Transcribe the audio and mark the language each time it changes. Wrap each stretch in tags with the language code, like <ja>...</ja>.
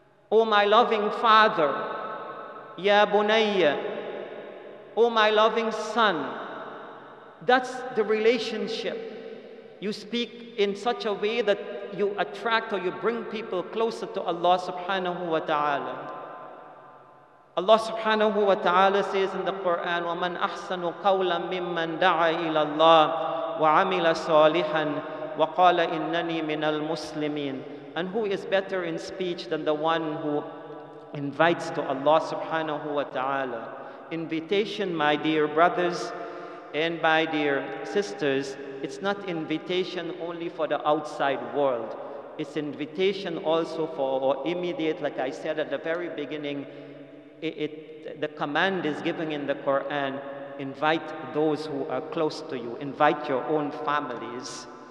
<en>O my loving father.</en> <ar>Ya Bunayya.</ar> <en>O my loving son. That's the relationship. You speak in such a way that you attract or you bring people closer to Allah subhanahu wa ta'ala. Allah subhanahu wa ta'ala says in the Quran,</en> <ar>وَمَنْ أَحْسَنُ قَوْلًا مِمَّنْ دَعَى إِلَى اللَّهِ وَعَمِلَ صَالِحًا وَقَالَ إِنَّنِي مِنَ الْمُسْلِمِينَ.</ar> <en>And who is better in speech than the one who invites to Allah subhanahu wa ta'ala? Invitation, my dear brothers and my dear sisters, it's not invitation only for the outside world. It's invitation also for our immediate, like I said at the very beginning, the command is given in the Quran, invite those who are close to you, invite your own families.</en>